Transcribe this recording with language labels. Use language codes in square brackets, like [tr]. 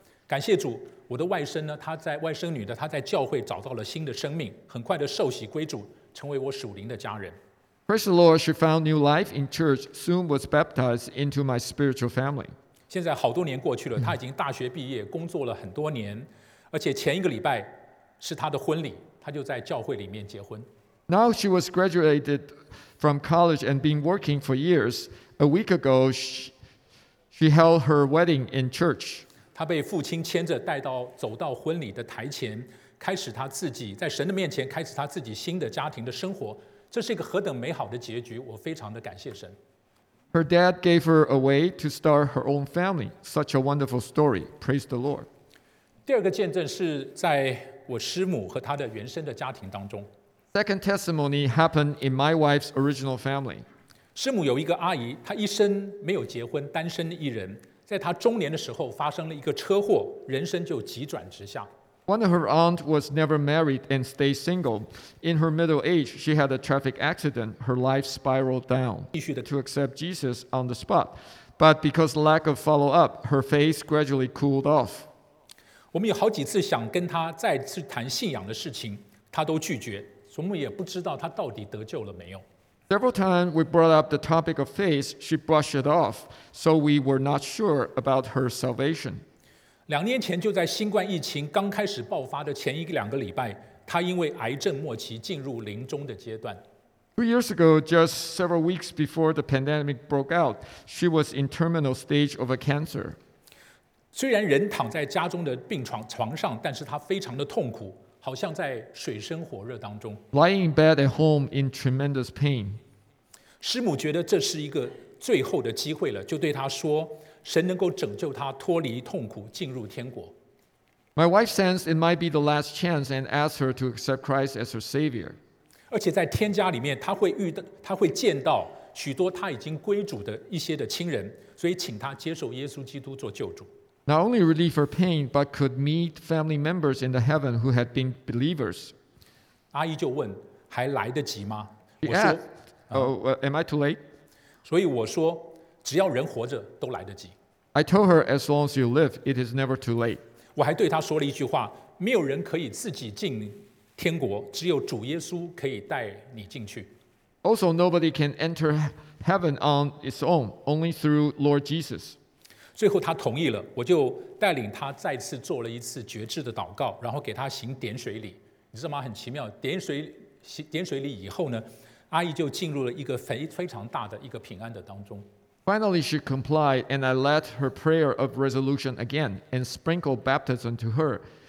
[zh] 感谢主，我的外甥呢，他在外甥女的，他在教会找到了新的生命，很快的受洗归主，成为我属灵的家人。 [en] Praise the Lord, she found new life in church. Soon was baptized into my spiritual family. [zh] 现在好多年过去了，他已经大学毕业，工作了很多年，而且前一个礼拜是他的婚礼，他就在教会里面结婚。 [en] Now she was graduated from college and been working for years. A week ago, she held her wedding in church. [zh] 他被父亲牵着带到走到婚礼的台前，开始他自己在神的面前开始他自己新的家庭的生活。这是一个何等美好的结局！我非常的感谢神。 [en] Her dad gave her away to start her own family. Such a wonderful story. Praise the Lord. [zh] 第二个见证是在我师母和他的原生的家庭当中。 [en] Second testimony happened in my wife's original family. [zh] 师母有一个阿姨，她一生没有结婚，单身一人。在她中年的时候发生了一个车祸，人生就急转直下。 [en] One of her aunt was never married and stayed single. In her middle age, she had a traffic accident. Her life spiraled down. [zh] 继续的 [en] to accept Jesus on the spot. But because lack of follow-up, her faith gradually cooled off. [zh] 我们有好几次想跟她再次谈信仰的事情，她都拒绝，我们也不知道她到底得救了没有。 [en] Several times we brought up the topic of faith, she brushed it off, so we were not sure about her salvation. [zh] 两年前就在新冠疫情刚开始爆发的前一两个礼拜，她因为癌症末期进入临终的阶段。 [en] 2 years ago, just several weeks before the pandemic broke out, she was in terminal stage of a cancer. [zh] 虽然人躺在家中的病 床上，但是他非常的痛苦，好像在水深火热当中。 [en] Lying in bed at home in tremendous pain. [zh] 师母觉得这是一个最后的机会了，就对他说，神能够拯救他脱离痛苦，进入天国。 [en] My wife sensed it might be the last chance and asked her to accept Christ as her savior. [zh] 而且在天家里面，他会见到许多他已经归主的一些的亲人，所以请他接受耶稣基督做救主。 [en] Not only relieve her pain, but could meet family members in the heaven who had been believers. [zh] 阿姨就问，还来得及吗？ [en] Am I too late? [zh] 所以我说，只要人活着，都来得及。 [en] I told her, as long as you live, it is never too late. [zh] 我还对她说了一句话，没有人可以自己进天国，只有主耶稣可以带你进去。 [en] Also, nobody can enter heaven on its own, only through Lord Jesus. [zh] 最后他同意了，我就带领他再次做了一次决志的祷告，然后给他行点水礼。你知道吗？很奇妙，点水礼以后呢，阿姨就进入了一个非常大的一个平安的当中。 [en] Finally, she complied, and I led her prayer of resolution again and sprinkled baptism to her.